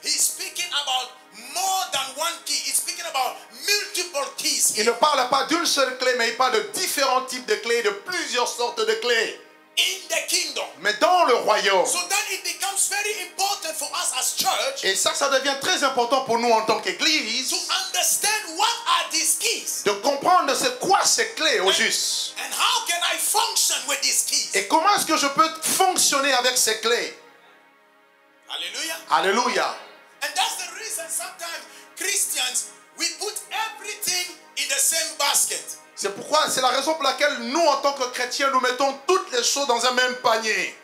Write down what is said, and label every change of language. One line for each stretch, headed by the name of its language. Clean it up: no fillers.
English: He's speaking about more than one key. He's speaking about multiple keys.
French: Il ne parle pas d'une seule clé, mais il parle de différents types de clés, de plusieurs sortes de clés.
English: In the kingdom.
French: Mais dans le royaume.
English: So then it becomes very important for us as church.
French: Et ça devient très important pour nous en tant qu'église.
English: To understand what are these keys.
French: De comprendre c'est quoi ces clés au juste.
English: And how can I function with these keys?
French: Et comment est-ce que je peux fonctionner avec ces clés? Alléluia. Alléluia.
English: And that's the reason sometimes Christians we put everything in the same basket.
French: C'est pourquoi, c'est la raison pour laquelle nous, en tant que chrétiens, nous mettons toutes les choses dans un même panier.